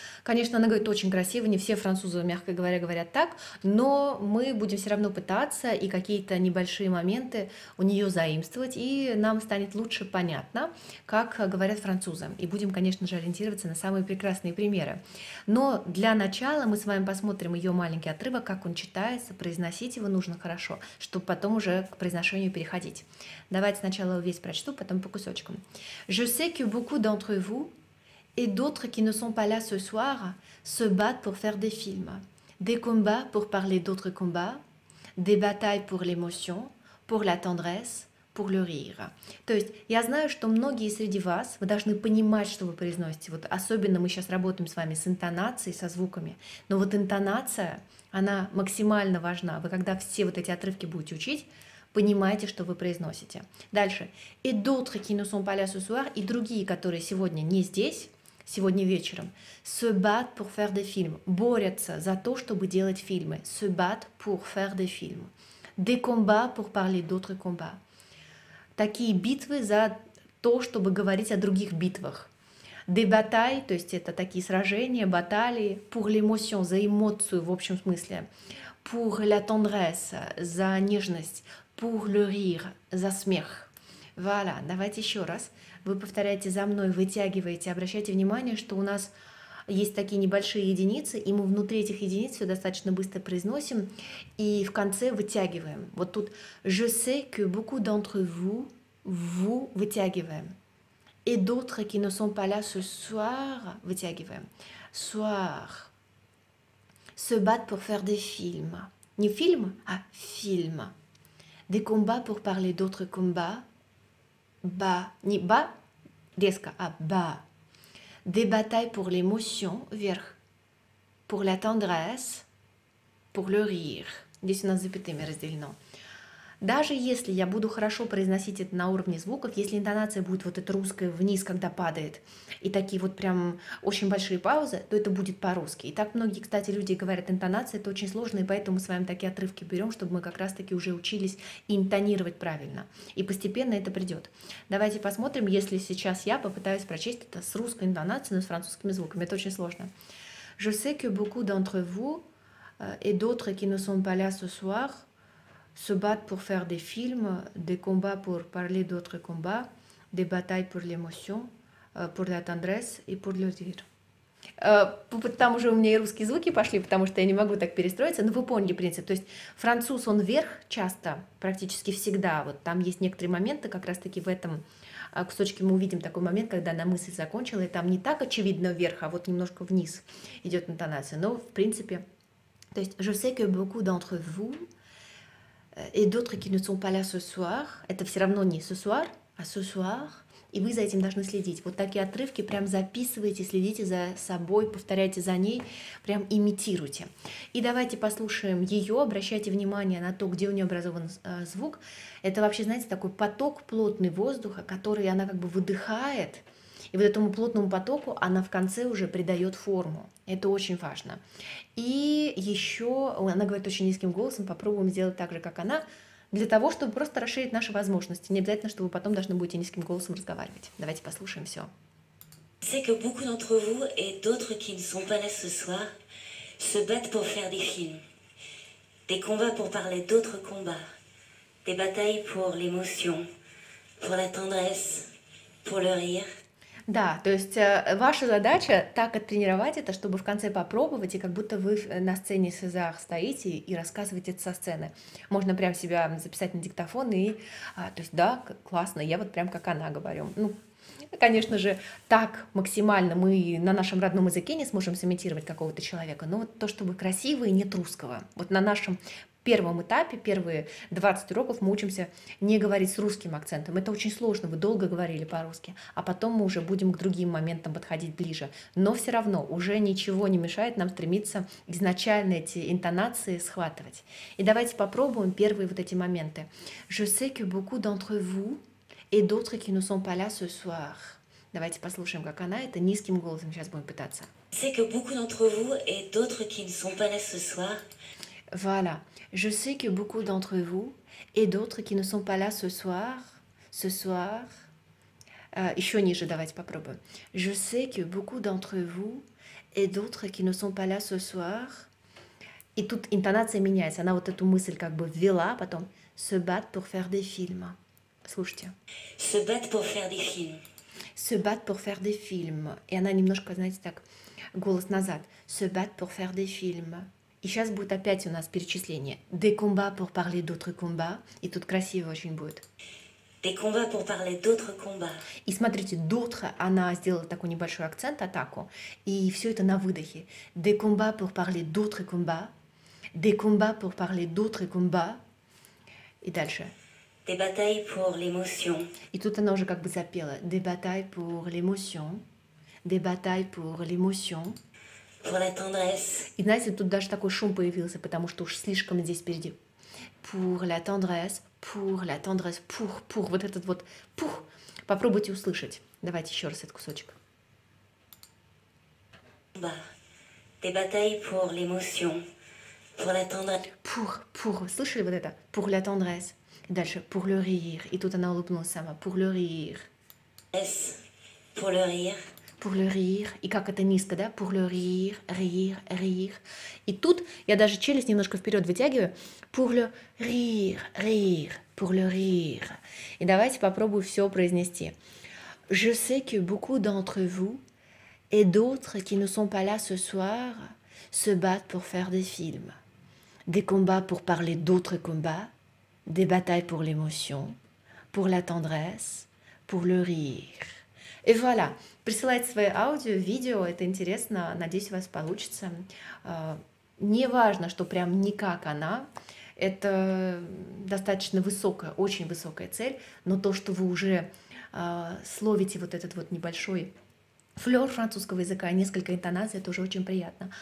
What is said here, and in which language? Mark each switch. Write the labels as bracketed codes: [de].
[ru] Конечно, она говорит очень красиво, не все французы, мягко говоря, говорят так, но мы будем все равно пытаться и какие-то небольшие моменты у нее заимствовать, и нам станет лучше понятно, как говорят французы. И будем, конечно же, ориентироваться на самые прекрасные примеры. Но для начала мы с вами посмотрим ее маленький отрывок, как он читается, произносить его нужно хорошо, чтобы потом уже к произношению переходить. Давайте сначала весь прочту, потом по кусочкам. [fr] Je sais que beaucoup d'entre vous et d'autres qui ne sont pas là ce soir se battent pour faire des films, des combats pour parler d'autres combats, des batailles pour l'émotion, pour la tendresse, pour le rire. [ru] То есть, я знаю, что многие среди вас, вы должны понимать, что вы произносите. Вот особенно мы сейчас работаем с вами с интонацией, со звуками. Но вот интонация, она максимально важна. Вы когда все вот эти отрывки будете учить, понимаете, что вы произносите. Дальше. [fr] Et d'autres qui ne sont pas là ce soir, [ru] и другие, которые сегодня не здесь, сегодня вечером, [fr] se battent pour faire des films. [ru] Борются за то, чтобы делать фильмы. [fr] Se battent pour faire des films. Des combats pour parler d'autres combats. [ru] Такие битвы за то, чтобы говорить о других битвах. [fr] Des batailles, [ru] то есть это такие сражения, баталии. [fr] Pour l'émotion, [ru] за эмоцию в общем смысле. [fr] Pour la tendresse, [ru] за нежность. [fr] Pour le rire, [ru] за смех. [fr] Voilà, [ru] давайте еще раз. Вы повторяете за мной, вытягиваете. Обращайте внимание, что у нас есть такие небольшие единицы, и мы внутри этих единиц все достаточно быстро произносим и в конце вытягиваем. Вот тут [fr] je sais que beaucoup d'entre vous [ru] вытягиваем. [fr] Et d'autres qui ne sont pas là ce soir, [ru] вытягиваем. [fr] Soir. Se battent pour faire des films. [ru] Не фильм, а фильм. [fr] Des combats pour parler d'autres combats. [ru] Ba, не ba, резко, а ba. [fr] Des batailles pour l'émotion, [ru] вверх. [fr] Pour la tendresse, pour le rire. [ru] Здесь у нас запятыми разделено. Даже если я буду хорошо произносить это на уровне звуков, если интонация будет вот эта русская вниз, когда падает, и такие вот прям очень большие паузы, то это будет по-русски. И так многие, кстати, люди говорят, интонация — это очень сложно, и поэтому мы с вами такие отрывки берем, чтобы мы как раз-таки уже учились интонировать правильно. И постепенно это придет. Давайте посмотрим, если сейчас я попытаюсь прочесть это с русской интонацией, но с французскими звуками. Это очень сложно. [fr] Je sais que beaucoup d'entre vous et d'autres qui ne sont pas là ce soir se battent pour faire des films, des combats pour parler d'autres combats, des batailles pour l'émotion, pour la tendresse et pour le dire. [ru] Там уже у меня и русские звуки пошли, потому что я не могу так перестроиться, но вы поняли принцип. То есть француз, он вверх часто, практически всегда. Вот там есть некоторые моменты, как раз-таки в этом кусочке мы увидим такой момент, когда она мысль закончила, и там не так очевидно вверх, а вот немножко вниз идет интонация. Но в принципе, то есть [fr] je sais que beaucoup d'entre vous et d'autres qui ne sont pas là ce soir. [ru] Это все равно не ce soir, а ce soir. И вы за этим должны следить. Вот такие отрывки прям записывайте, следите за собой, повторяйте за ней, прям имитируйте. И давайте послушаем ее, обращайте внимание на то, где у нее образован звук. Это вообще, знаете, такой поток плотный воздуха, который она как бы выдыхает. И вот этому плотному потоку она в конце уже придает форму. Это очень важно. И еще она говорит очень низким голосом, попробуем сделать так же, как она, для того, чтобы просто расширить наши возможности. Не обязательно, что вы потом должны будете низким голосом разговаривать. Давайте послушаем все. [fr] Je sais que beaucoup d'entre vous et d'autres qui ne sont pas là ce soir se battent pour faire des films. Des combats pour parler d'autres combats. Des batailles pour l'émotion, pour la tendresse, pour le rire. [ru] Да, то есть ваша задача так оттренировать это, чтобы в конце попробовать, и как будто вы на сцене с Сезар стоите и рассказываете это со сцены. Можно прям себя записать на диктофон и, то есть да, классно, я вот прям как она говорю. Ну, конечно же, так максимально мы на нашем родном языке не сможем сымитировать какого-то человека, но вот то, чтобы красиво и нет русского. Вот на нашем первом этапе, первые 20 уроков мы учимся не говорить с русским акцентом. Это очень сложно, вы долго говорили по-русски, а потом мы уже будем к другим моментам подходить ближе. Но все равно уже ничего не мешает нам стремиться изначально эти интонации схватывать. И давайте попробуем первые вот эти моменты. [fr] Je sais que beaucoup d'entre vous et d'autres qui ne sont pas là ce soir. [ru] Давайте послушаем, как она это низким голосом сейчас будем пытаться. [fr] Je sais que beaucoup d'entre vous et d'autres qui ne sont pas là ce soir. Voilà. Je sais que beaucoup d'entre vous Et d'autres qui ne sont pas là ce soir. Ce soir. [ru] Еще ниже давайте попробуем. [fr] Je sais que beaucoup d'entre vous et d'autres qui ne sont pas là ce soir. [ru] И тут интонация меняется. Она вот эту мысль как бы ввела, потом [fr] se battent pour faire des films. [ru] Слушайте. [fr] Se battent pour faire des films. Se battent pour faire des films. [ru] Et она немножко, знаете, так, голос назад. [fr] Se battent pour faire des films. [ru] И сейчас будет опять у нас перечисление. [fr] Des combats pour parler d'autres combats. [ru] И тут красиво очень будет. [fr] Des combats pour parler d'autres combats. [ru] И смотрите, d'autres, она сделала такой небольшой акцент, атаку. И все это на выдохе. [fr] Des combats pour parler d'autres combats. Des combats pour parler d'autres combats. [ru] И дальше. [fr] Des batailles pour l'émotion. [ru] И тут она уже как бы запела. [fr] Des batailles pour l'émotion. Des batailles pour l'émotion. Pour la tendresse. [ru] И знаете, тут даже такой шум появился, потому что уж слишком здесь впереди. [fr] Pour la tendresse. Pour la tendresse. Pour. [ru] Вот этот вот. [fr] Pour. [ru] Попробуйте услышать. Давайте еще раз этот кусочек. [fr] Des batailles pour l'émotion. Pour la tendresse. Pour. [ru] Слышали вот это? [fr] Pour la tendresse. [ru] Дальше, [fr] pour le rire. [ru] И тут она улыбнулась сама. [fr] Pour le rire. S. Pour le rire. Pour le rire. [ru] И как это низко, да? [fr] Pour le rire, rire, rire. [ru] И тут я даже челюсть немножко вперед вытягиваю. [fr] Pour le rire, rire. Pour le rire. [ru] И давайте попробую все произнести. [fr] Je sais que beaucoup d'entre vous et d'autres qui ne sont pas là ce soir se battent pour faire des films. Des combats pour parler d'autres combats. Des batailles pour l'émotion, pour la tendresse, pour le rire. Et voilà. [ru] Присылайте свои аудио, видео, это интересно. Надеюсь, у вас получится. Не важно, что прям не как она. Это достаточно высокая, очень высокая цель. Но то, что вы уже словите вот этот вот небольшой флёр французского языка, несколько интонаций, это уже очень приятно.